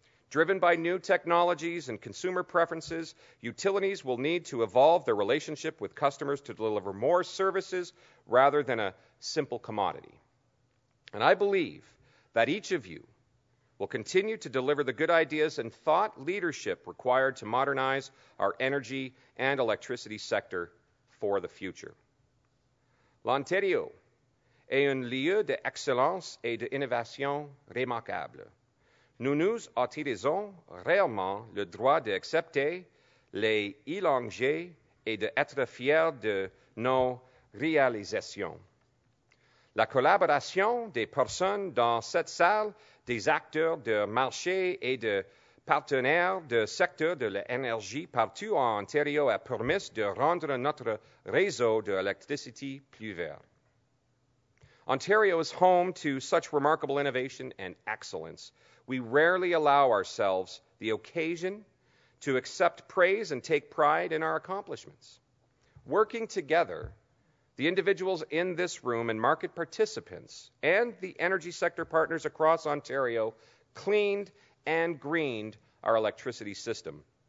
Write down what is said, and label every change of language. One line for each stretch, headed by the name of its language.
English: Driven by new technologies and consumer preferences, utilities will need to evolve their relationship with customers to deliver more services rather than a simple commodity. And I believe that each of you will continue to deliver the good ideas and thought leadership required to modernize our energy and electricity sector for the future.
French: L'Ontario est un lieu d'excellence et d'innovation remarquable. Nous nous autorisons réellement le droit d'accepter les élangés et d'être fiers de nos réalisations. La collaboration des personnes dans cette salle, des acteurs de marché et de partenaires de secteur de l'énergie partout en Ontario a permis de rendre notre réseau d'électricité plus vert.
English: Ontario is home to such remarkable innovation and excellence. We rarely allow ourselves the occasion to accept praise and take pride in our accomplishments. Working together, the individuals in this room and market participants and the energy sector partners across Ontario cleaned and greened our electricity system.